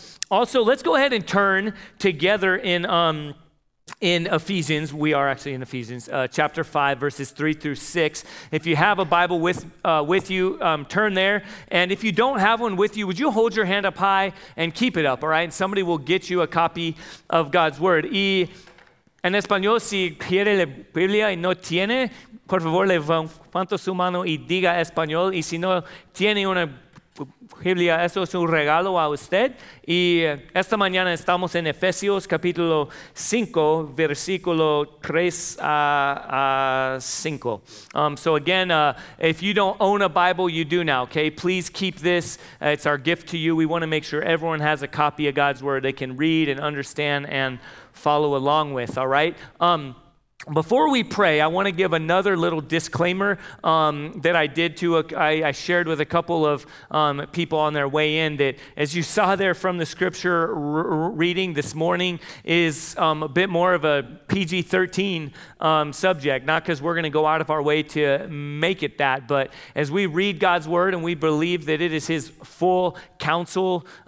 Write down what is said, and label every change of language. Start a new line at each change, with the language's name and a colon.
English: Also, let's go ahead and turn together in Ephesians. We are actually in Ephesians, chapter 5, verses 3 through 6. If you have a Bible with you, turn there. And if you don't have one with you, would you hold your hand up high and keep it up, all right? And somebody will get you a copy of God's Word.
Spanish: En español, si quiere la Biblia y no tiene, por favor, levante su mano y diga español. Y si no tiene una Biblia, eso es un regalo a usted. Y esta mañana estamos en Efesios capítulo 5, versículo 3 a 5.
English: So again, if you don't own a Bible, you do now, okay? Please keep this. It's our gift to you. We want to make sure everyone has a copy of God's Word they can read and understand and follow along with, all right? Before we pray, I want to give another little disclaimer that I did to, I shared with a couple of people on their way in, that as you saw there from the scripture reading this morning is a bit more of a PG-13 subject, not because we're going to go out of our way to make it that, but as we read God's word and we believe that it is his full counsel